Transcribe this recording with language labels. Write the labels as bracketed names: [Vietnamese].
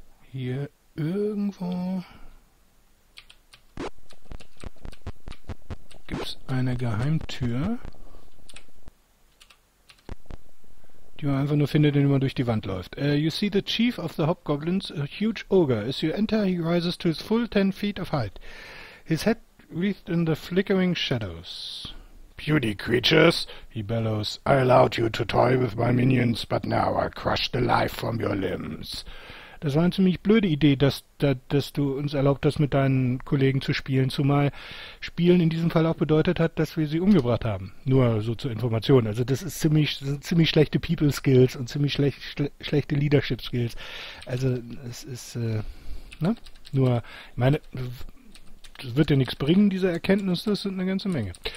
[German] Hier irgendwo gibt es eine Geheimtür, die man einfach nur findet, wenn man durch die Wand läuft. [English] You see the chief of the hobgoblins, a huge ogre. As you enter, he rises to his full 10 feet of height. His head wreathed in the flickering shadows. Beauty creatures, he bellows. I allowed you to toy with my minions, but now I crush the life from your limbs. [German] Das war eine ziemlich blöde Idee, dass du uns erlaubt hast, mit deinen Kollegen zu spielen, zumal Spielen in diesem Fall auch bedeutet hat, dass wir sie umgebracht haben. Nur so zur Information. Also das ist ziemlich, sind ziemlich schlechte People Skills und ziemlich schlechte Leadership Skills. Also es ist, ne? Nur, ich meine, das wird dir nichts bringen, diese Erkenntnis, das sind eine ganze Menge.